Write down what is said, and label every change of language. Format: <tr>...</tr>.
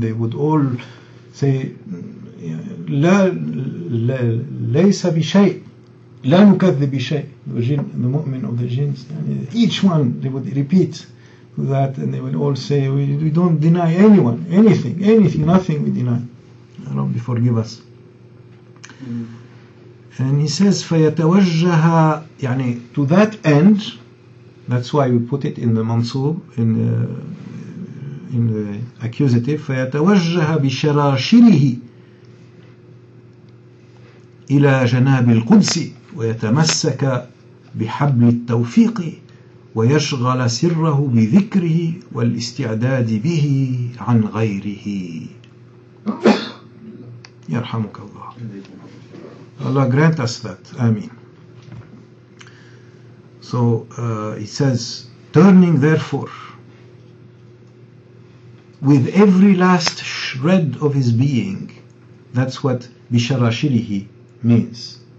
<en>They would all say</en> <ar>لَا لَيْسَ بِشَيْءٍ. لا نكذب بشيء.</ar> <en>The mu'min of the jinns, each one they would repeat that, and they would all say, we don't deny anyone, anything, nothing we deny. Rabbi, forgive us. And he says,</en> <ar>فيتوجه, يعني,</ar> <en>to that end, that's why we put it in the mansub, in the accusative,</en> <ar>فيتوجه بشراشره إلى جناب القدس ويتمسك بحبل التوفيق ويشغل سره بذكره والاستعداد به عن غيره يرحمك الله.</ar> <en>Allah grant us that. Ameen. So he says, turning therefore with every last shred of his being, that's what بِشَرَاشِرِهِ means.</en>